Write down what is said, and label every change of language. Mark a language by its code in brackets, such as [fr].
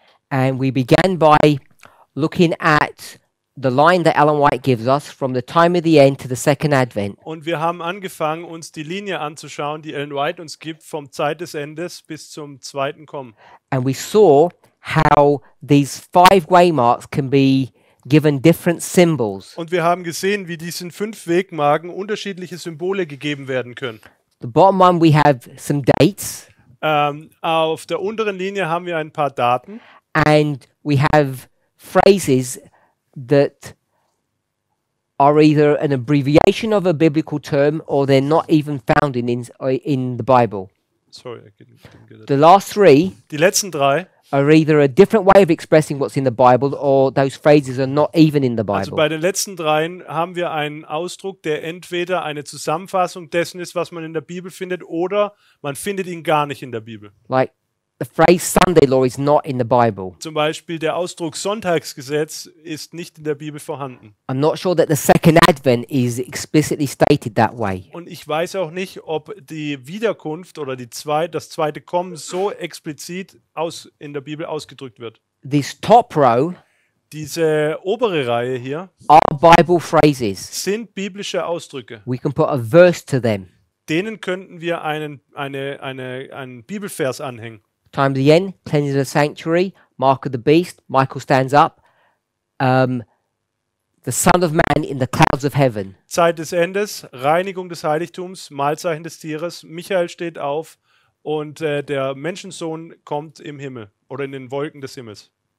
[en] And we began by looking at the line that Ellen White gives us from the time of the end to the second advent. [de] Und wir haben angefangen, uns die Linie anzuschauen, die Ellen White uns gibt vom Zeit des Endes bis zum zweiten Kommen. [en] And we saw how these five waymarks can be given different symbols. [de] Und wir haben gesehen, wie diesen fünf Wegmarken unterschiedliche Symbole gegeben werden können. [en] The bottom one, we have some dates. [de] Auf der unteren Linie haben wir ein paar Daten. [en] And we have phrases that are either an abbreviation of a biblical term or they're not even found in the Bible. Sorry, I didn't get it. The last three. [de] Die letzten drei. [en] Are either a different way of expressing what's in the Bible or those phrases are not even in the Bible. [de] Also bei den letzten dreien haben wir einen Ausdruck, der entweder eine Zusammenfassung dessen ist, was man in der Bibel findet, oder man findet ihn gar nicht in der Bibel. [en] Like the phrase Sunday law is not in the Bible. [de] Zum Beispiel der Ausdruck Sonntagsgesetz ist nicht in der Bibel vorhanden. [en] I'm not sure that the second advent is explicitly stated that way. [de] Und ich weiß auch nicht, ob die Wiederkunft oder das zweite Kommen so explizit in der Bibel ausgedrückt wird. [en] This top row, [de] diese obere Reihe hier, [en] are Bible phrases. [de] Sind biblische Ausdrücke. [en] We can put a verse to them. [de] Denen könnten wir einen Bibelvers anhängen. [en] Time of the end, cleansing the sanctuary, mark of the beast, Michael stands up, the Son of Man in the clouds of heaven. [de] Zeit des Endes, Reinigung des Heiligtums, Mahlzeichen des Tieres, Michael steht auf und der Menschensohn kommt im Himmel oder in den Wolken des Himmels.